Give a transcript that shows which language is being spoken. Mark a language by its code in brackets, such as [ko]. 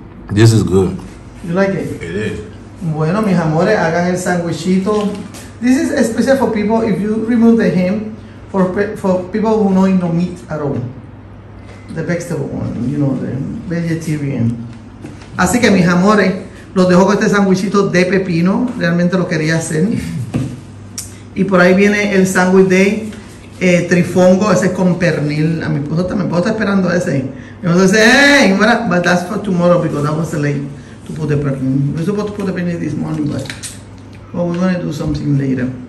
[en] This is good. You like it? It is. [es] Bueno, mis amores, hagan el sandwichito. [en] This is especially for people, if you remove the ham, for people who know no meat at all. The vegetable one, you know, the vegetarian. [es] Así que, mis amores, los dejo con este sandwichito de pepino. Realmente lo quería hacer. Y por ahí viene el sandwich de trifongo, ese es con pernil. A mi esposo también, puedo estar esperando ese. Y vamos a decir, [en] hey, but that's for tomorrow because that was late to put the pernil. We're supposed to put the pernil this morning, but well, we're going to do something later.